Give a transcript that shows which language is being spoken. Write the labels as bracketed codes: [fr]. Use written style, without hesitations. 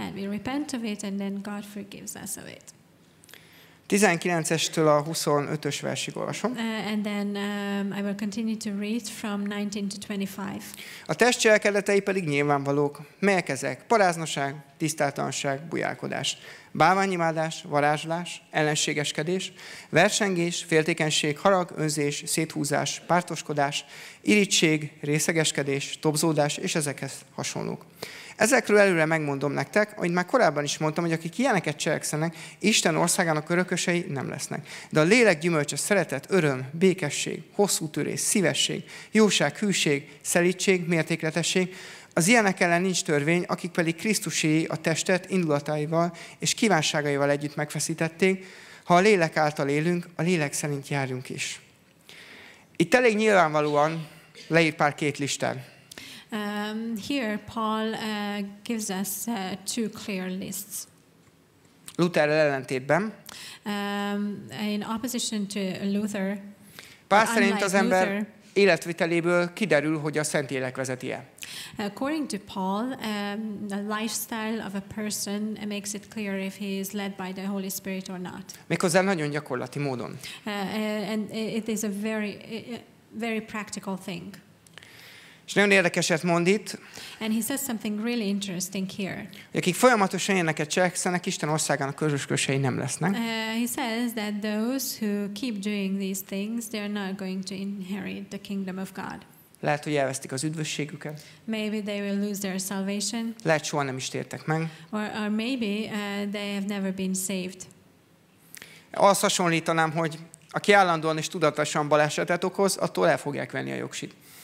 [en] And we repent of it, and then God forgives us of it. [hu] 19-estől a 25-ös versig olvasom. [en] And then I will continue to read from 19 to 25. [hu] A test cselekedetei pedig nyilvánvalók. Melyek ezek? Paráznoság, tisztátlanság, bujálkodás, bálványimádás, varázslás, ellenségeskedés, versengés, féltékenység, harag, önzés, széthúzás, pártoskodás, irigység, részegeskedés, tobzódás és ezekhez hasonlók. Ezekről előre megmondom nektek, ahogy már korábban is mondtam, hogy akik ilyeneket cselekszenek, Isten országának örökösei nem lesznek. De a lélek gyümölcse szeretet, öröm, békesség, hosszú törés, szívesség, jóság, hűség, szelídség, mértékletesség. Az ilyenek ellen nincs törvény, akik pedig Krisztuséi a testet indulataival és kívánságaival együtt megfeszítették, ha a lélek által élünk, a lélek szerint járjunk is. Itt elég nyilvánvalóan leír pár két listát. [en] Here Paul gives us two clear lists. [hu] Luther-rel ellentétben. [en] In opposition to Luther. [hu] Pál szerint az ember életviteléből kiderül, hogy a szent élek vezeti-e. [en] According to Paul, the lifestyle of a person makes it clear if he is led by the Holy Spirit or not. [hu] Méghozzá nagyon gyakorlati módon. [en] And it is a very, very practical thing. [hu] És nagyon érdekeset mond itt. [en] And he says something really interesting here. [hu] Akik folyamatosan ilyeneket cselekszenek, Isten országának örökösei nem lesznek. [en] He says that those who keep doing these things, they are not going to inherit the kingdom of God. [hu] Lehet, hogy elvesztik az üdvösségüket. [en] Maybe they will lose their salvation. [hu] Lehet, soha nem is tértek meg. [en] Or maybe they have never been saved. [hu] Azt hasonlítanám, hogy aki állandóan és tudatosan balesetet okoz, attól el fogják venni a jogsit.